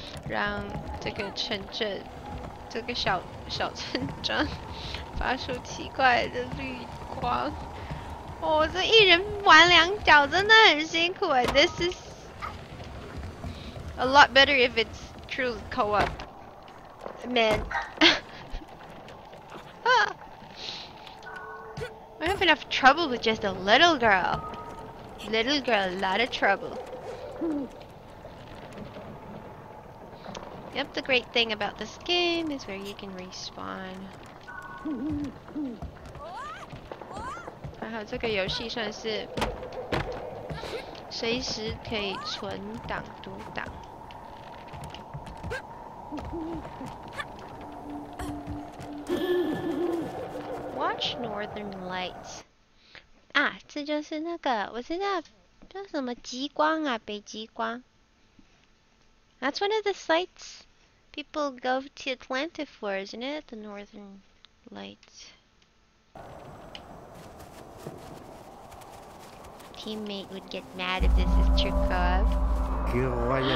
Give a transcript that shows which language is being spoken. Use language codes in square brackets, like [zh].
[zh] 让这个城镇，这个小村庄发出奇怪的绿光。哦，这一人玩两脚真的很辛苦哎。 [en] This is a lot better if it's true co-op. Man, I have enough trouble with just a little girl. Little girl, a lot of trouble. Yep, the great thing about this game is where you can respawn. Haha, [zh] 这个游戏算是随时可以存档读档。 [en] Watch Northern Lights. [zh] 啊，这就是那个，我知道叫什么极光啊，北极光。 [en] That's one of the sites people go to Atlanta for, isn't it? The Northern Lights. Teammate would get mad if this is Chirkov.